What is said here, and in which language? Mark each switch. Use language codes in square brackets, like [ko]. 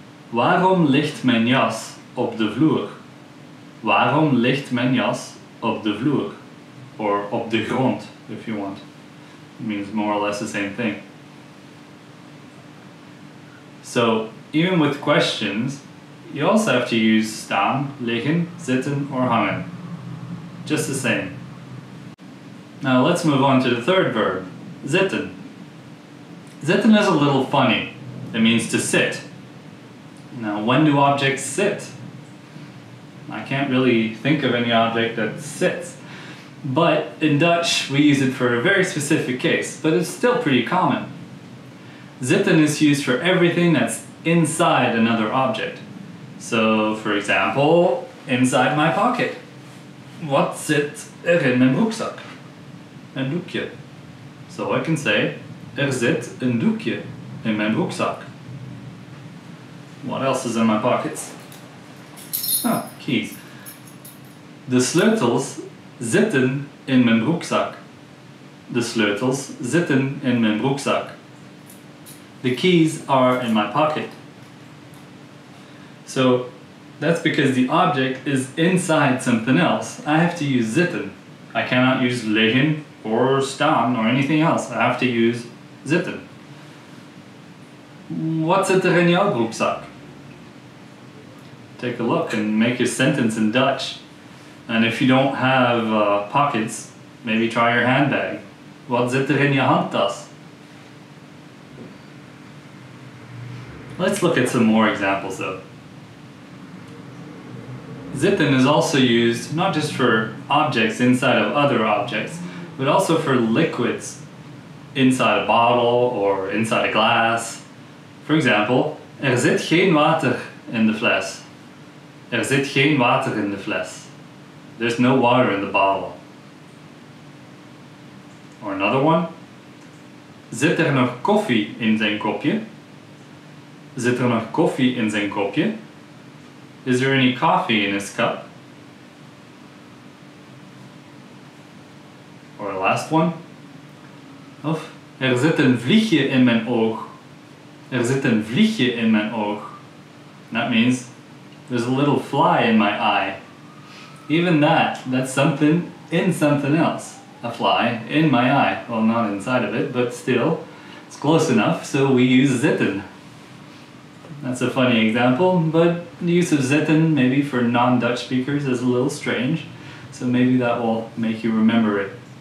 [nl] Waarom ligt mijn jas op de vloer? Waarom ligt mijn jas op de vloer? [en] Or [nl] op de grond, [en] if you want. It means more or less the same thing. So, even with questions, you also have to use staan, liggen, zitten, or hangen. Just the same. Now let's move on to the third verb, zitten. Zitten is a little funny. It means to sit. Now, when do objects sit? I can't really think of any object that sits. But in Dutch, we use it for a very specific case, but it's still pretty common. Zitten is used for everything that's inside another object. So, for example, inside my pocket. [nl] Wat zit er in mijn broekzak? Een doekje. [en] So I can say, [nl] er zit een doekje in mijn broekzak. [en] What else is in my pockets? Oh, keys. [nl] De sleutels zitten in mijn broekzak. De sleutels zitten in mijn broekzak. [en] The keys are in my pocket. So, that's because the object is inside something else. I have to use zitten. I cannot use liggen or staan or anything else. I have to use zitten. [nl] Wat zit er in jouw broekzak? [en] Take a look and make your sentence in Dutch. And if you don't have pockets, maybe try your handbag. [nl] Wat zit er in je handtas? [en] Let's look at some more examples though. Zitten is also used not just for objects inside of other objects, but also for liquids inside a bottle or inside a glass. [nl] For example, er zit geen water in de fles. Er zit geen water in de fles. [en] There's no water in the bottle. Or another one. [nl] Zit er nog koffie in zijn kopje? Zit er nog koffie in zijn kopje? [en] Is there any coffee in his cup? Or a last one? [nl] Of, er zit een vliegje in mijn oog. Er zit een vliegje in mijn oog. [en] That means, there's a little fly in my eye. Even that, that's something in something else. A fly in my eye. Well, not inside of it, but still, it's close enough, so we use zitten. That's a funny example, but the use of zitten maybe for non-Dutch speakers is a little strange, so maybe that will make you remember it.